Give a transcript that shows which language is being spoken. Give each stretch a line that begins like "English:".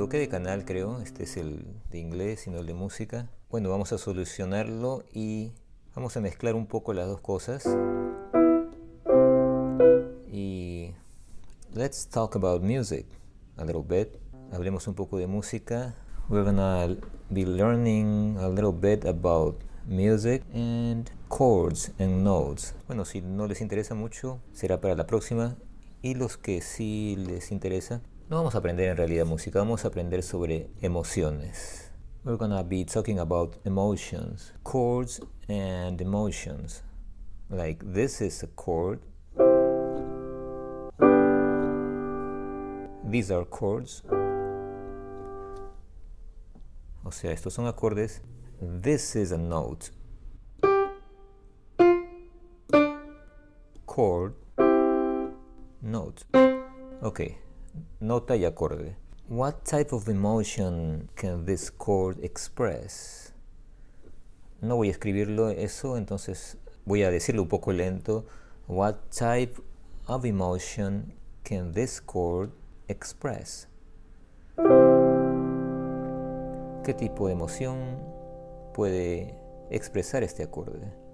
Spanish: Canal, creo, este es el de inglés y no el de música. Bueno, vamos a solucionarlo y vamos a mezclar un poco las dos cosas.
English: Y let's talk about music a little bit.
Spanish: Hablemos un poco de música.
English: We're gonna be learning a little bit about music and chords and notes.
Spanish: Bueno, si no les interesa mucho, será para la próxima. Y los que sí les interesa, no vamos a aprender en realidad música, vamos a aprender sobre emociones.
English: We're gonna be talking about emotions, chords and emotions. Like this is a chord. These are chords.
Spanish: O sea, estos son acordes.
English: This is a note. Chord. Note. Okay.
Spanish: Nota y acorde.
English: What type of emotion can this chord express?
Spanish: No voy a escribirlo eso, entonces voy a decirlo un poco lento.
English: What type of emotion can this chord express?
Spanish: ¿Qué tipo de emoción puede expresar este acorde?